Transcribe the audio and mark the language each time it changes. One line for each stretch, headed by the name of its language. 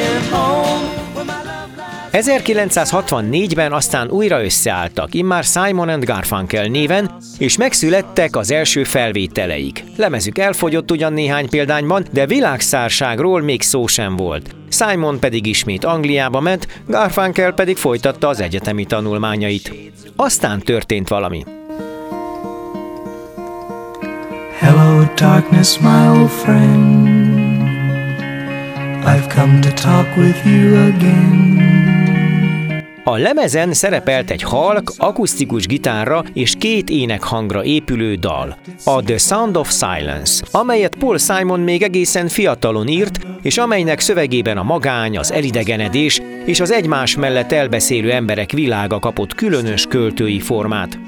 Hungarian: Home, 1964-ben aztán újra összeálltak, immár Simon & Garfunkel néven, és megszülettek az első felvételeik. Lemezük elfogyott ugyan néhány példányban, de világszárságról még szó sem volt. Simon pedig ismét Angliába ment, Garfunkel pedig folytatta az egyetemi tanulmányait. Aztán történt valami.
English: Hello darkness, my old friend, I've come to talk with you again.
Hungarian: A lemezen szerepelt egy halk, akusztikus gitárra és két énekhangra épülő dal, a The Sound of Silence, amelyet Paul Simon még egészen fiatalon írt, és amelynek szövegében a magány, az elidegenedés és az egymás mellett elbeszélő emberek világa kapott különös költői formát.